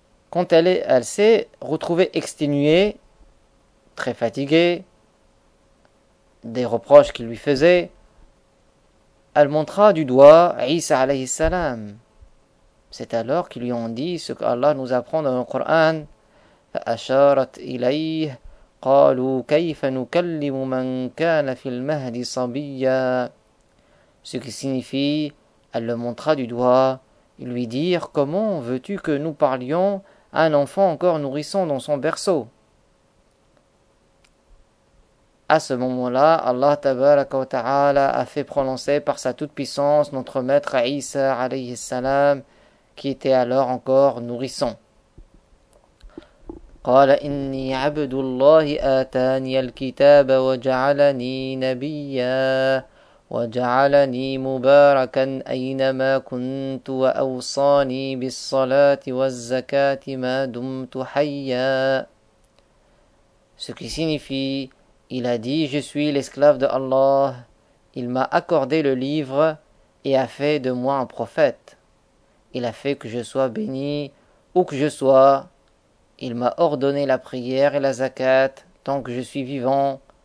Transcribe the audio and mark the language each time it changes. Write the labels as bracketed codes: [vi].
[fr] Quand elle s'est retrouvée exténuée, très fatiguée, des reproches qu'il lui faisait, elle montra du doigt Isa alayhi salam. C'est alors qu'ils lui ont dit ce qu'Allah nous apprend dans le Coran. [ar] فأشارت إليه قالوا كيف نكلم من كان في المهد صبيا. [fr] Ce qui signifie, elle le montra du doigt. Ils lui dirent: comment veux-tu que nous parlions à un enfant encore nourrissant dans son berceau? À ce moment-là, Allah tabaraka wa ta'ala a fait prononcer par sa toute-puissance notre maître Isa alayhi salam, qui était alors encore nourrissant. [ar] قال إني عبد الله آتاني الكتاب وجعلني نبيا وجعلني مباركا أينما كنت وأوصاني بالصلاة والزكاة ما دمت حيا. [fr] Ce qui signifie, il a dit: je suis l'esclave de Allah, il m'a accordé le livre et a fait de moi un prophète. Il a fait que je sois béni où que je sois. Il m'a ordonné la prière et la zakat tant que je suis vivant.